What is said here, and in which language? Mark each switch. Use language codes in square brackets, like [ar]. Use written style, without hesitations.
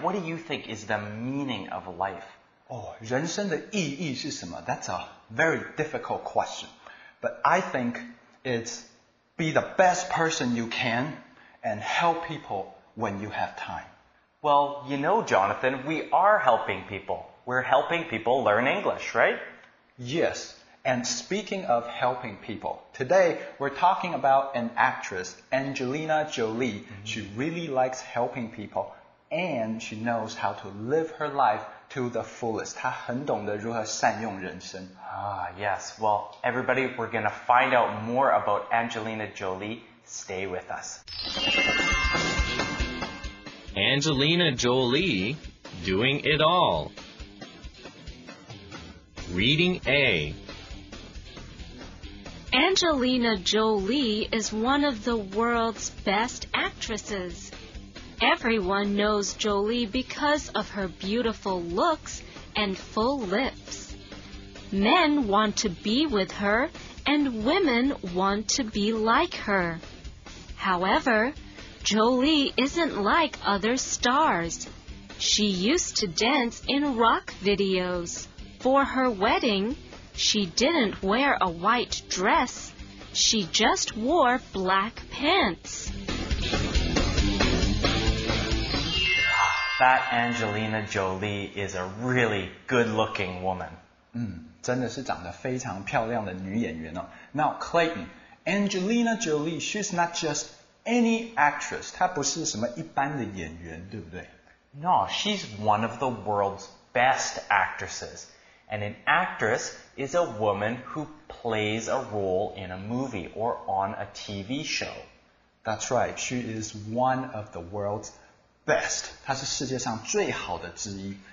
[en] What do you think is the meaning of life? [zh] Oh, 人生的意义是什么? [en] That's a very difficult question. But I think it's be the best person you can and help people when you have time. Well, you know, Jonathan, we are helping people. We're helping people learn English, right? Yes. And speaking of helping people, today we're talking about an actress, Angelina Jolie. Mm-hmm. She really likes helping people and she knows how to live her life to the fullest. [zh] 她很懂得如何善用人生。 [en] Ah, yes. Well, everybody, we're going to find out more about Angelina Jolie. Stay with us. Angelina Jolie, doing it all. Reading A. Angelina Jolie is one of the world's best actresses. Everyone knows Jolie because of her beautiful looks and full lips. Men want to be with her, and women want to be like her. However, Jolie isn't like other stars. She used to dance in rock videos. For her wedding,She didn't wear a white dress. She just wore black pants. That Angelina Jolie is a really good-looking woman. [zh] 真的是长得非常漂亮的女演员哦。 [en] Now, Clayton, Angelina Jolie, she's not just any actress. [zh] 她不是什么一般的演员，对不对？ [en] No, she's one of the world's best actresses. And an actress is a woman who plays a role in a movie or on a TV show. That's right. She is one of the world's best. [zh] 她是世界上最好的之一。